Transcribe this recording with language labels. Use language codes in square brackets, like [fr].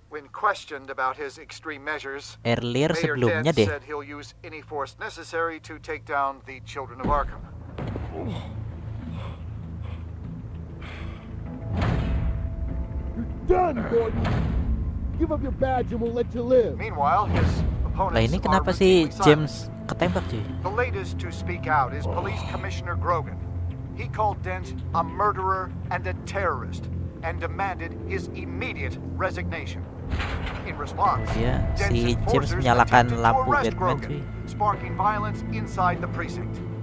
[en] When questioned about his extreme measures, earlier [id] sebelumnya deh. [en] Said he'll use any force necessary to take down the children of Arkham. You're done, Gordon. Give up your badge and we'll let you live. Meanwhile, his opponents. [id] Lah ini kenapa sih James ketembak cuy? [en] The latest to speak out is Police Commissioner Grogan. He called Dent a murderer and a terrorist and demanded his immediate resignation. In response, yeah, [id] si James menyalakan lampu Batman, [en] sparking violence inside the precinct.